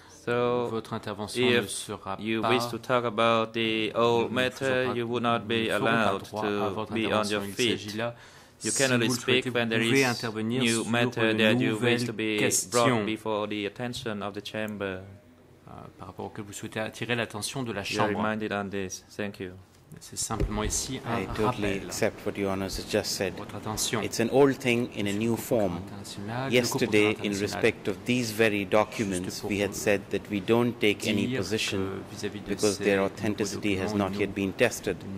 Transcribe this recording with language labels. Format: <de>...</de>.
<en>So,</en> <fr>votre intervention ne sera pas.</fr> <en>If you wish to talk about the old matter, you would not be allowed to be on your feet. You cannot speak when there is new matter that you wish to be brought before the attention of the chamber.</en> <fr>Par rapport auquel vous souhaitez attirer l'attention de la chambre.</fr> <en>You are reminded on this. Thank you.</en> <fr>C'est simplement ici un rappel.</fr> <en>I totally accept what Your Honour has just said.</en> <fr>Votre attention.</fr> <en>It's an old thing in a new form. Yesterday, in respect of these very documents, we had said that we don't take any position because their authenticity has not yet been tested.</en>